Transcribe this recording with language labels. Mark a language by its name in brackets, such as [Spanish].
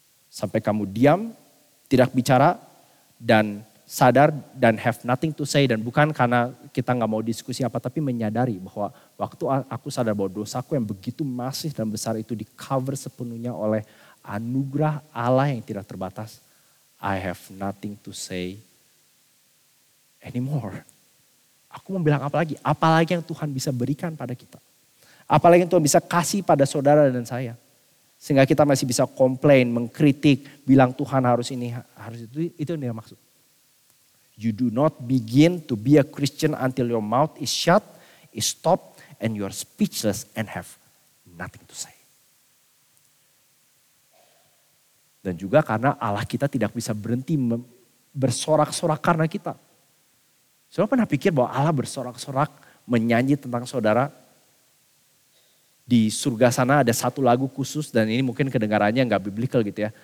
[Indonesian] Sampai kamu diam, tidak bicara, dan sadar, dan [English] have nothing to say. [Indonesian] Dan bukan karena kita gak mau diskusi apa, tapi menyadari bahwa waktu aku sadar bahwa dosaku yang begitu masif dan besar itu di cover sepenuhnya oleh anugerah Allah yang tidak terbatas, [English] I have nothing to say anymore. [Indonesian] Aku mau bilang apa lagi? Apalagi yang Tuhan bisa berikan pada kita. Apalagi yang Tuhan bisa kasih pada saudara dan saya. Sehingga kita masih bisa komplain, mengkritik, bilang Tuhan harus ini, harus itu. Itu yang dia maksud. [English] You do not begin to be a Christian until your mouth is shut, is stopped, and you are speechless and have nothing to say. [Indonesian] Dan juga karena Allah kita tidak bisa berhenti bersorak-sorak karena kita. Saudara pernah pikir bahwa Allah bersorak-sorak menyanyi tentang saudara? Di surga sana ada satu lagu khusus dan ini mungkin kedengarannya gak biblical gitu ya.